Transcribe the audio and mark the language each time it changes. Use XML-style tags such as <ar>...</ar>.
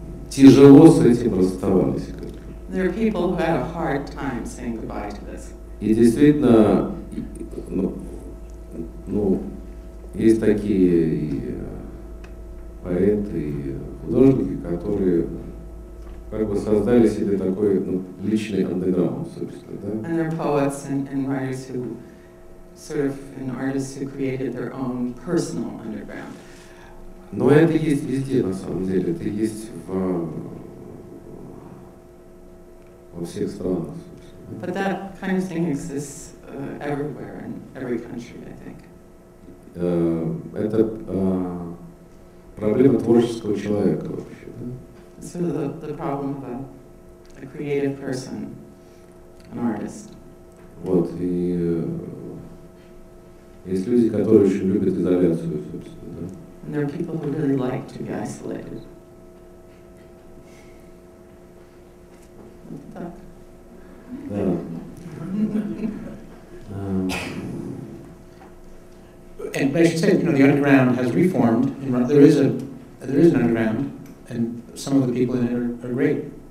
<ru>тяжело с этим расставались.</ru> <en>There are people who had a hard time saying goodbye to this.</en> <ru>И действительно, ну, ну, есть такие и поэты, и художники, которые как бы создали себе такой, ну, личный андеграунд, собственно, да?</ru> <en>And there are poets and writers who sort of an artist who created their own personal underground.</en> <ru>Но это есть везде, на самом деле. Это есть во всех странах.</ru> <en>But that kind of thing exists everywhere in every country, I think.</en> <ru>Это проблема творческого человека вообще, да?</ru> <en>So the problem of a creative person, an artist.</en> <ru>Вот, и есть люди, которые очень любят изоляцию, собственно, да?</ru> <en>And there are people who really like to be isolated.</en> <ru>Так. Да.</ru> <en>And I should say, you know, the underground has reformed. There is an underground, and some of the people in it are great.</en>